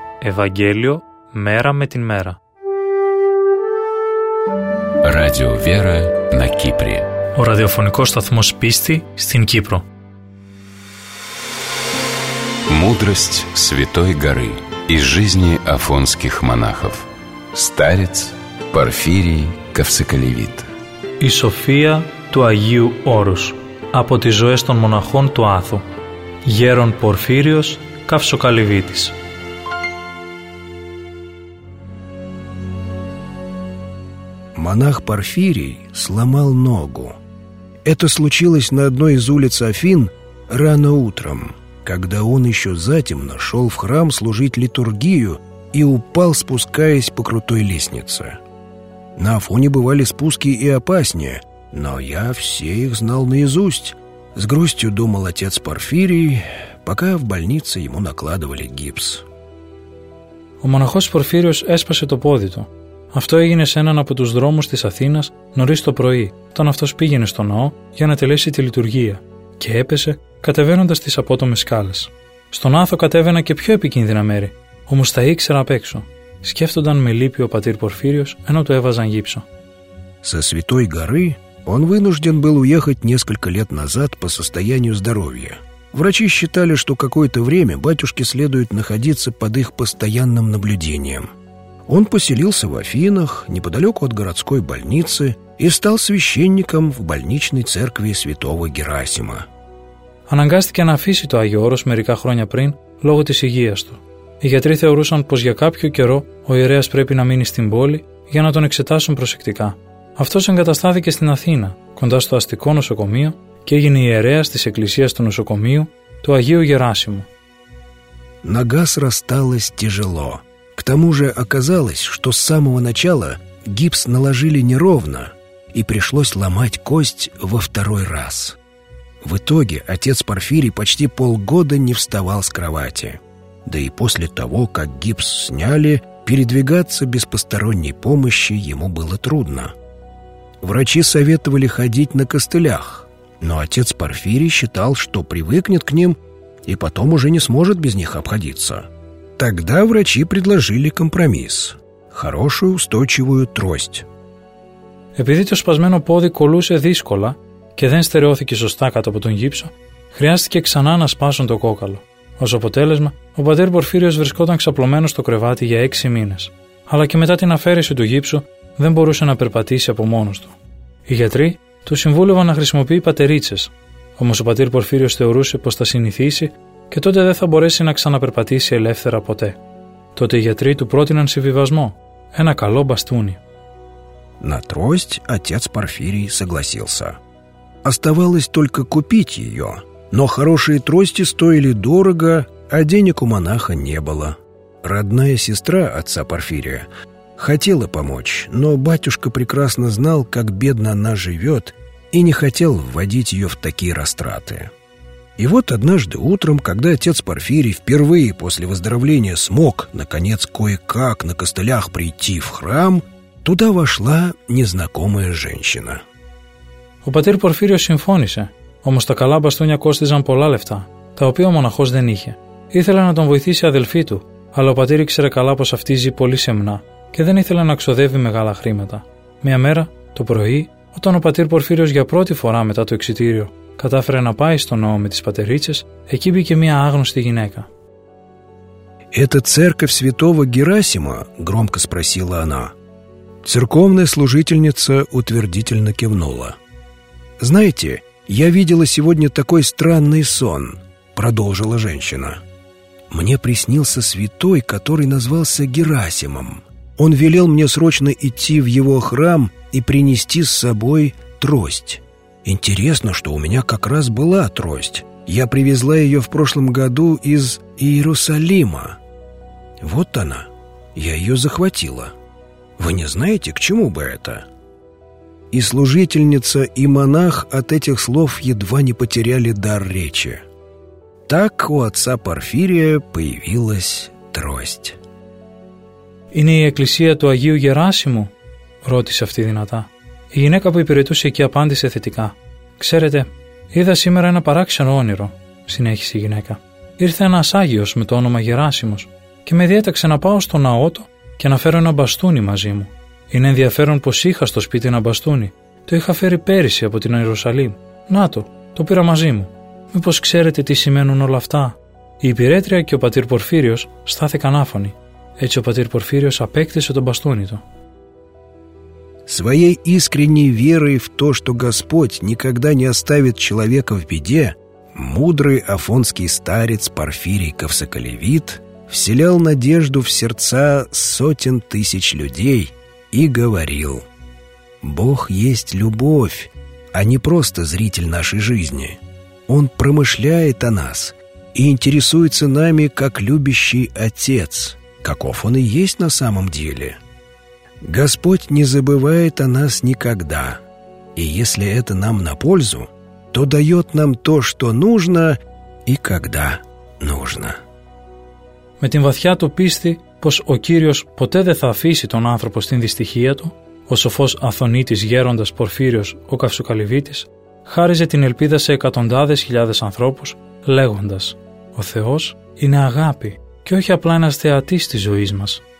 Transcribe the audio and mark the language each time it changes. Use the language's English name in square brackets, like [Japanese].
[Russian] Евангелие мера με την мера. Радио Вера на Кипре. [Greek] Ο ραδιοφωνικός σταθμός πίστη στην Κύπρο. [Russian] Мудрость Святой Горы из жизни афонских монахов. Старец Порфирий Ковсоколевит. [Greek] Η Σοφία του Αγίου Όρους από τις ζωές των μοναχών του Άθου. Γέρον Πορφύριος Καυσοκαλυβίτης. Μονάχ Πορφύριος σλαμάλ νόγου. [Russian] Это случилось на одной из улиц Афин рано утром, когда он еще затемно шел в храм служить литургию и упал, спускаясь по крутой лестнице. На Афоне бывали спуски и опаснее, но я все их знал наизусть. С грустью думал отец Порфирий, пока в больнице ему накладывали гипс. [Greek] Ο μοναχός Πορφύριος έσπασε το πόδι του. Αυτό έγινε σε έναν από τους δρόμους της Αθήνας νωρίς το πρωί, όταν αυτός πήγαινε στο ναό για να τελέσει τη λειτουργία και έπεσε κατεβαίνοντας τις απότομες σκάλες. Στον Άθο κατέβαινα και πιο επικίνδυνα μέρη, όμως τα ήξερα απ' έξω. Σκέφτονταν με λύπη ο πατήρ Πορφύριος ενώ του έβαζαν γύψο. [Russian] Σε Святой Горы он вынужден был уехать несколько лет назад по состоянию здоровья. Врачи считали, что какое-то время батюшке следует находиться под их постоянным наблюдением. Он поселился в Афинах, неподалеку от городской больницы, и стал священником в больничной церкви святого Герасима. [Greek] Αναγκάστηκε να αφήσει το Άγιο Όρος μερικά χρόνια πριν, λόγω της υγείας του. Οι γιατροί θεωρούσαν πως για κάποιο καιρό ο ιερέας πρέπει να μείνει στην πόλη για να τον εξετάσουν προσεκτικά. Αυτός εγκαταστάθηκε στην Αθήνα, κοντά στο αστικό νοσοκομείο, και έγινε ιερέας της εκκλησίας του νοσοκομείου του Αγίου Γεράσιμου. [Russian] Нога срасталась тяжело. К тому же оказалось, что с самого начала гипс наложили неровно и пришлось ломать кость во второй раз. В итоге отец Порфирий почти полгода не вставал с кровати. Да и после того, как гипс сняли, передвигаться без посторонней помощи ему было трудно. Врачи советовали ходить на костылях, но отец Порфирий считал, что привыкнет к ним и потом уже не сможет без них обходиться. Тогда врачи предложили компромисс – хорошую устойчивую трость. [Greek] Επειδή το σπασμένο πόδι κολούσε δύσκολα και δεν στερεώθηκε σωστά κάτω από τον γύψο, χρειάστηκε ξανά να σπάσουν το κόκαλο. Ως αποτέλεσμα, ο πατήρ Πορφύριος βρισκόταν ξαπλωμένος στο κρεβάτι για 6 μήνες. Αλλά και μετά την αφαίρεση του γύψου, δεν μπορούσε να περπατήσει από μόνος του. Οι γιατροί του συμβούλευαν να χρησιμοποιεί πατερίτσες. Όμως ο πατήρ Πορφύριος θεωρούσε πως θα συνηθίσει και τότε δεν θα μπορέσει να ξαναπερπατήσει ελεύθερα ποτέ. Τότε οι γιατροί του πρότειναν συμβιβασμό, ένα καλό μπαστούνι. [Russian] На трость отец Порфирий согласился. Оставалось только купить ее, но хорошие трости стоили дорого, а денег у монаха не было. Родная сестра отца Порфирия хотела помочь, но батюшка прекрасно знал, как бедно она живет, и не хотел вводить ее в такие растраты. И вот однажды утром, когда отец Порфирий впервые после выздоровления смог, наконец, кое-как на костылях прийти в храм, туда вошла незнакомая женщина. [Greek] Ο πατήρ Πορφύριος συμφώνησε, όμως τα καλά μπαστούνια κόστιζαν πολλά λεφτά, τα οποία ο μοναχός δεν είχε. Ήθελε να τον βοηθήσει αδελφή του, αλλά ο πατήρ ήξερε καλά πως αυτή ζει πολύ σεμνά και δεν ήθελε να ξοδεύει μεγάλα χρήματα. Μια μέρα, το πρωί, όταν ο πατήρ Πορφύριος για πρώτη φορά μετά το εξιτήριο κατάφερε να πάει στο ναό με τις πατερίτσες, εκεί μπήκε μια άγνωστη γυναίκα. [Russian] «Это церковь святого Герасима?» – громко спросила она. Церковная служительница утвердительно кивнула. «Знаете, я видела сегодня такой странный сон», – продолжила женщина. «Мне приснился святой, который назвался Герасимом. Он велел мне срочно идти в его храм и принести с собой трость. Интересно, что у меня как раз была трость. Я привезла ее в прошлом году из Иерусалима. Вот она. Я ее захватила. Вы не знаете, к чему бы это?» И служительница, и монах от этих слов едва не потеряли дар речи. Так у отца Порфирия появилась трость. [Greek] «Είναι η εκκλησία του Αγίου Γεράσιμου?» ρώτησε αυτή δυνατά. Η γυναίκα που υπηρετούσε εκεί απάντησε θετικά. «Ξέρετε, είδα σήμερα ένα παράξενο όνειρο», συνέχισε η γυναίκα. «Ήρθε ένας Άγιος με το όνομα Γεράσιμος και με διέταξε να πάω στο ναό του και να φέρω ένα μπαστούνι μαζί μου. Είναι ενδιαφέρον πως είχα στο σπίτι ένα μπαστούνι. Το είχα φέρει πέρυσι από την Ιερουσαλήμ. Να το, το πήρα μαζί μου. Μήπως ξέρετε τι σημαίνουν όλα αυτά?» Η υπηρέτρια και ο πατήρ Πορφύριος στάθηκαν άφωνοι. Έτσι ο πατήρ Πορφύριος απέκτησε τον μπαστούνι του. [Russian] Своей искренней верой в то, что Господь никогда не оставит человека в беде, мудрый афонский старец Порфирий Ковсоколевит вселял надежду в сердца сотен тысяч людей и говорил: «Бог есть любовь, а не просто зритель нашей жизни. Он промышляет о нас и интересуется нами как любящий отец, каков он и есть на самом деле. Господь не забывает о нас никогда, и если это нам на пользу, то дает нам то, что нужно и когда нужно. [Greek] Με την βαθιά του πίστη πως ο Κύριος ποτέ δεν θα αφήσει τον άνθρωπο στην δυστυχία του, ο σοφός Αθωνίτης γέροντας Πορφύριος ο Καυσουκαλυβίτης, χάριζε την ελπίδα σε εκατοντάδες χιλιάδες ανθρώπους, λέγοντας «Ο Θεός είναι αγάπη και όχι απλά ένας θεατής της ζωής μας.